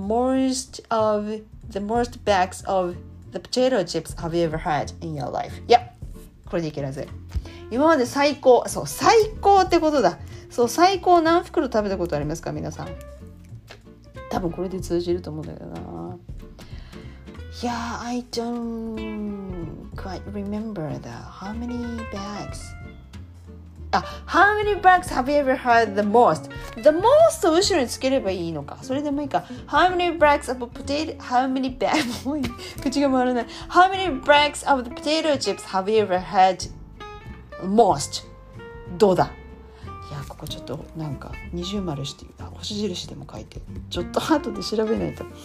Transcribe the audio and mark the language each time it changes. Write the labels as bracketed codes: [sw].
[en] The most bags of the potato chips have you ever heard in your life? [ja] Yep, これでいけるぜ。今まで最高、そう、最高ってことだ。そう、最高何袋食べたことありますか、皆さん。多分これで通じると思うんだけどな。 [en] Yeah, I don't quite remember that. How many bags? How many bags have you ever heard the most? The most [ja] を後ろにつければいいのか。それでもいいか。 [en] How many bags of potato? How many bags? [ja] 口が回らない。 [en] How many bags of the potato chips have you ever heard most? [ja] どうだ。ここちょっとなんか二重丸して、あ、星印でも書いて、ちょっと後で調べないと。